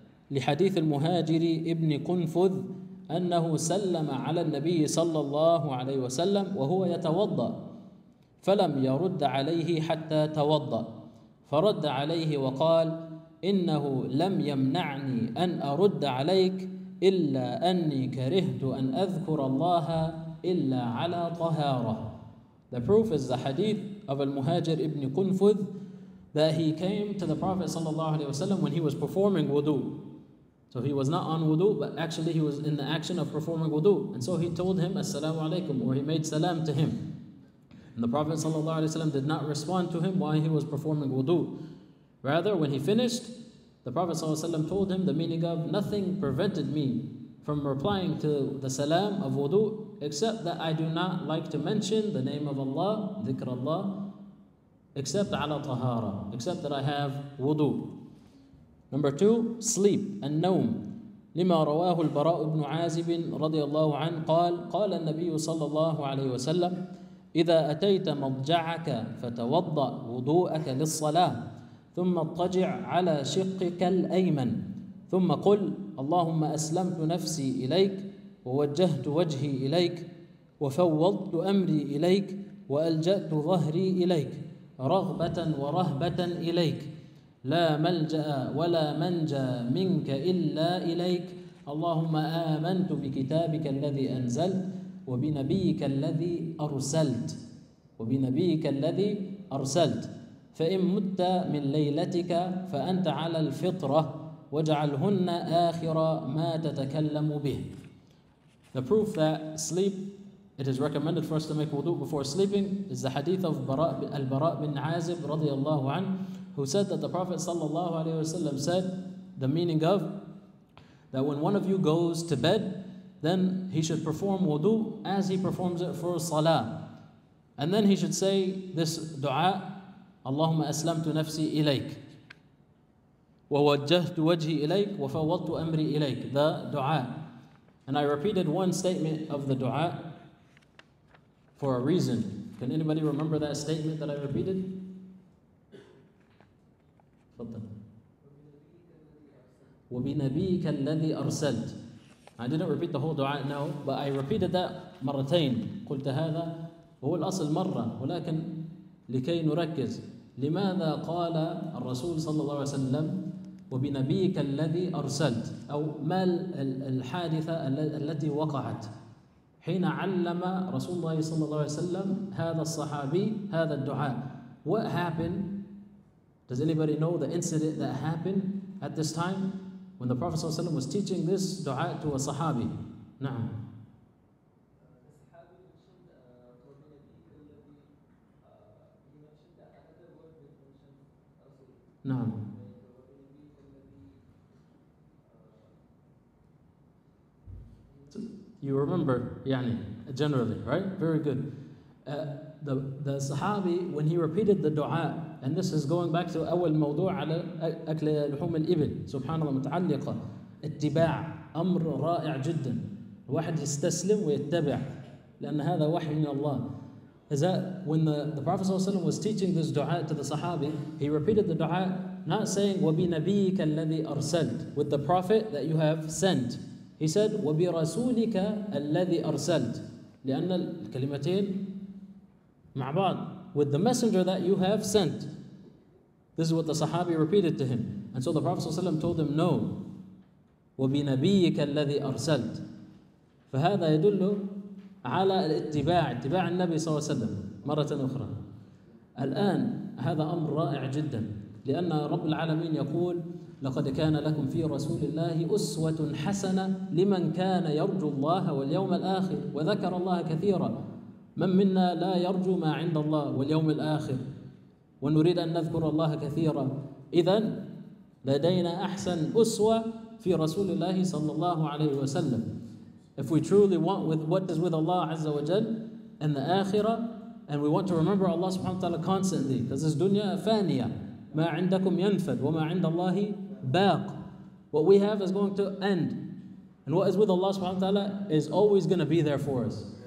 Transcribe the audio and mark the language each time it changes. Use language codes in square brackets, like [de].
[ar] لحديث المهاجر ابن قنفذ أنه سلم على النبي صلى الله عليه وسلم وهو يتوضأ. فلم يرد عليه حتى توضأ، فرد عليه وقال: إنه لم يمنعني أن أرد عليك إلا أني كرهت أن أذكر الله إلا على طهارة. [en] The proof is the hadith of Al-Muhajir ibn Qunfuz that he came to the Prophet sallallahu alaihi wasallam when he was performing wudu. So he was not on wudu, but actually he was in the action of performing wudu. And so he told him assalamu alaikum, or he made salam to him. And the Prophet sallallahu alaihi wasallam did not respond to him while he was performing wudu. Rather, when he finished, the Prophet sallallahu alaihi wasallam told him the meaning of nothing prevented me from replying to the salam of wudu, except that I do not like to mention the name of Allah, dhikr Allah, except ala tahara, except that I have wudu. Number two, sleep, النوم. [ar] لما رواه البراء بن عازب رضي الله عنه قال: قال النبي صلى الله عليه وسلم: إذا أتيت مضجعك فتوضأ وضوءك للصلاة، ثم اضطجع على شقك الأيمن، ثم قل: اللهم أسلمت نفسي إليك، ووجهت وجهي إليك، وفوضت أمري إليك، وألجأت ظهري إليك، رغبة ورهبة إليك، لا ملجأ ولا منجى منك إلا إليك، اللهم آمنت بكتابك الذي أنزلت، وبنبيك الذي أرسلت، وبنبيك الذي أرسلت، فإن مت من ليلتك فأنت على الفطرة، وجعلهن آخر ما تتكلم به. [en] The proof that sleep, it is recommended for us to make wudu before sleeping, is the hadith of Al-Bara bin Azib radiallahu an, who said that the Prophet sallallahu alayhi wasallam said, the meaning of, that when one of you goes to bed, then he should perform wudu as he performs it for salah. And then he should say this dua, [ar] Allahumma aslamtu nafsi ilayk, ووجهت وجهي إليك وفوضت أمري إليك, the dua. [en] And I repeated one statement of the dua for a reason. Can anybody remember that statement that I repeated? [ar] وَبِنَبِيكَ الَّذِي أَرْسَلْتُ. [en] I didn't repeat the whole dua now, but I repeated that [ar] مرتين. قلت هذا هو الأصل مرة, ولكن لكي نركز. لماذا قال الرسول صلى الله عليه وسلم وبنبيك الذي أرسلت, أو ما الحادثة التي وقعت حين علم رسول الله صلى الله عليه وسلم هذا الصحابي هذا الدعاء. [en] What happened? Does anybody know the incident that happened at this time when the Prophet صلى الله عليه وسلم was teaching this دعاء to a صحابي? [ar] نعم. نعم. [en] You remember, يعني, generally, right? Very good. The Sahabi, when he repeated the dua, and this is going back to [ar] أول موضوع على أكل لحوم الإبل, سبحان الله متعلقة, اتباع, أمر رائع جدا. الواحد يستسلم ويتبع, لأن هذا وحي من الله. [en] Is that when the Prophet صلى الله عليه وسلم was teaching this dua to the Sahabi, he repeated the dua, not saying [ar] وبنبيك الذي أرسلت, [en] with the Prophet that you have sent. He said, [ar] وَبِرَسُولِكَ الَّذِي أَرْسَلْتِ, لأن الكلمتين مع بعض, [en] with the messenger that you have sent. This is what the Sahabi repeated to him. And so the Prophet ﷺ told him, no, [ar] وَبِنَبِيِّكَ الَّذِي أَرْسَلْتِ. فهذا يدل على الاتباع, اتباع النبي صلى الله عليه وسلم. مرة أخرى, الآن هذا أمر رائع جدا, لأن رب العالمين يقول لقد كان لكم في رسول الله أسوة حسنة لمن كان يرجو الله واليوم الآخر وذكر الله كثيرا. من منا لا يرجو ما عند الله واليوم الآخر ونريد أن نذكر الله كثيرا؟ إذن لدينا أحسن أسوة في رسول الله صلى الله عليه وسلم. [en] If we truly want with what is with Allah عز وجل in the آخرة, and we want to remember Allah سبحانه وتعالى constantly, because this dunya فانية, [ar] ما عندكم ينفد وما عند الله باق. [en] What we have is going to end, and what is with Allah subhanahu wa ta'ala is always going to be there for us.